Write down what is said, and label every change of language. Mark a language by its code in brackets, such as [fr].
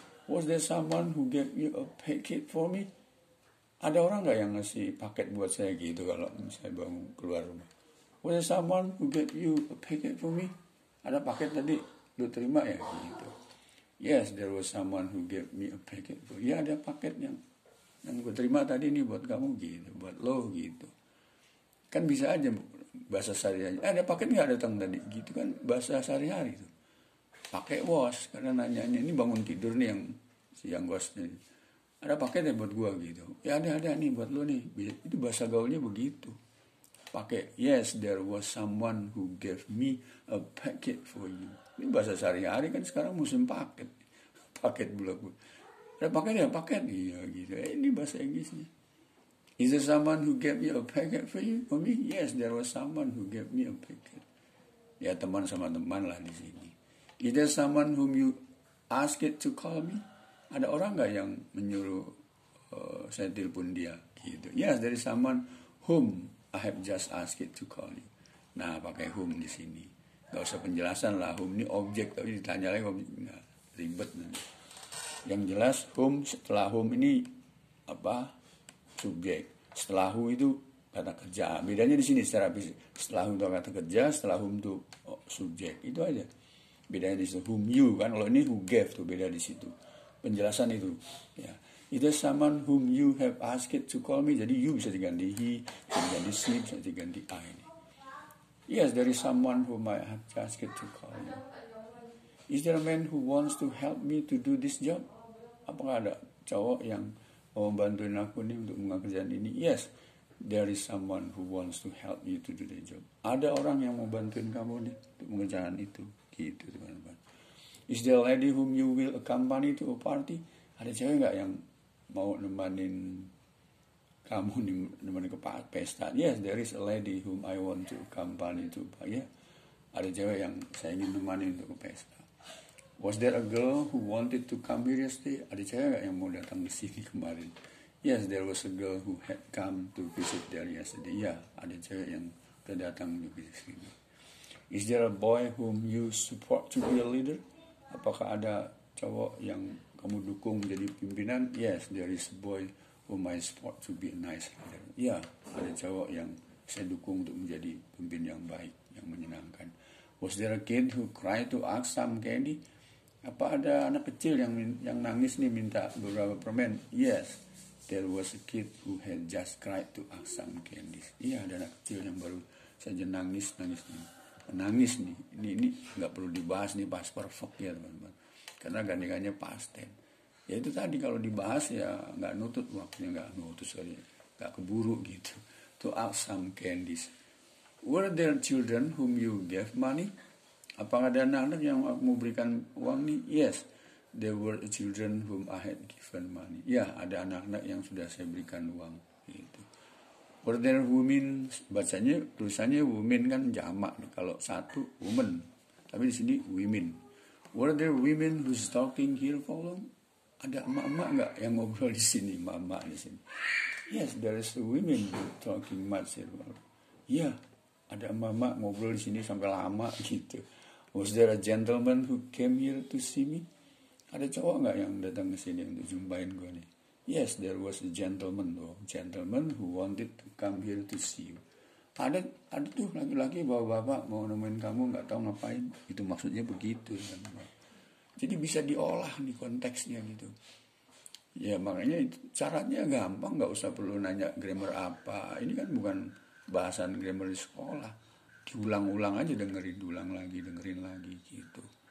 [en] Was there someone who gave you a packet for me? [id] Ada orang gak yang ngasih paket buat saya gitu kalau misalnya bangun keluar rumah? [en] Was there someone who gave you a packet for me? [id] Ada paket tadi, lu terima ya gitu. [en] Yes, there was someone who gave me a packet for you. [id] Ya ada paket yang gue terima tadi nih buat kamu gitu, buat lo gitu. Kan bisa aja bahasa sehari-hari. Ada paket gak datang tadi? Gitu kan bahasa sehari-hari tuh. Pakai was. Karena nanyanya ini bangun tidur nih yang siang was. Ada paket ya buat gua gitu. Ya ada nih buat lu nih. Itu bahasa gaulnya begitu. [en] Pakai yes there was someone who gave me a packet for you. [id] Ini bahasa sehari-hari kan sekarang musim paket. Paket blog. Ada paket ya paket. Iya gitu. Ini bahasa Inggrisnya. [en] Is there someone who gave you a packet for you? For me? Yes, there was someone who gave me a packet. [id] Ya, teman sama teman lah di sini. [en] Is there someone whom you ask it to call me? [id] Ada orang gak yang menyuruh saya telepon dia? Gitu. [en] Yes, there is someone whom I have just asked it to call you. [id] Nah, pakai whom di sini. Gak usah penjelasan lah. Whom ini objek, tapi ditanya lagi objek. Nah, ribet. Nanti. Yang jelas, whom setelah whom ini apa? Subjek. Setelah who itu kata kerja. Bedanya di sini secara fisik. Setelah who itu kata kerja, setelah whom itu subjek. Itu aja. Bedanya di situ. Whom you kan. Kalau ini who gave tuh beda di situ. Penjelasan itu. Ya. [en] Is there someone whom you have asked to call me? [id] Jadi you bisa diganti he, bisa diganti she, bisa diganti I. [en] Yes, there is someone whom I have asked to call you. Is there a man who wants to help me to do this job? [id] Apakah ada cowok yang mau bantuin aku nih untuk mengerjakan ini? [en] Yes, there is someone who wants to help you to do the job. [id] Ada orang yang mau bantuin kamu nih untuk mengerjakan itu. Gitu teman-teman. [en] Is there a lady whom you will accompany to a party? [id] Ada cewek gak yang mau nemenin kamu nih, nemenin ke pesta? [en] Yes, there is a lady whom I want to accompany to a party. Yeah. [id] Ada cewek yang saya ingin nemenin untuk ke pesta. [en] Was there a girl who wanted to come here yesterday? [id] Ada cewek gak yang mau datang ke sini kemarin? [en] Yes, there was a girl who had come to visit there yesterday. [id] Ya, yeah, ada cewek yang kedatang untuk visit sini. [en] Is there a boy whom you support to be a leader? [id] Apakah ada cowok yang kamu dukung jadi pimpinan? [en] Yes, there is boy who might spot to be a nice leader. [id] Ya, ada cowok yang saya dukung untuk menjadi pemimpin yang baik, yang menyenangkan. [en] Was there a kid who cried to ask some candy? [id] Apa ada anak kecil yang nangis nih minta beberapa permen? [en] Yes, there was a kid who had just cried to ask some candy. [id] Iya, ada anak kecil yang baru saja nangis nih. Ini nggak perlu dibahas nih pas perfect ya teman-teman. Karena gandengannya pasten. Ya itu tadi kalau dibahas ya nggak nutut waktunya, nggak keburu gitu. [en] To ask some candies. Were there children whom you gave money? [id] Apakah ada anak-anak yang mau berikan uang nih? [en] Yes, there were children whom I had given money. [id] Ya, ada anak-anak yang sudah saya berikan uang. Gitu. [en] Were there women? [id] Bacanya, tulisannya women kan jamak. Kalau satu, woman. Tapi di sini, women. [en] Were there women who's talking here for long? [id] Ada emak-emak enggak yang ngobrol di sini? Mama di sini. [en] Yes, there is a women who talking much here. [id] Ya, yeah, ada emak-emak ngobrol di sini sampai lama gitu. [en] Was there a gentleman who came here to see me? [id] Ada cowok enggak yang datang ke sini untuk jumpain gue nih? [en] Yes, there was a gentleman though. Gentleman who wanted to come here to see you. [id] Ada tuh laki-laki bawa bapak mau nemuin kamu nggak tahu ngapain, itu maksudnya begitu kan. Jadi bisa diolah nih konteksnya gitu ya, makanya itu, caranya gampang, nggak usah perlu nanya grammar apa, ini kan bukan bahasan grammar di sekolah, diulang-ulang aja, dengerin lagi gitu.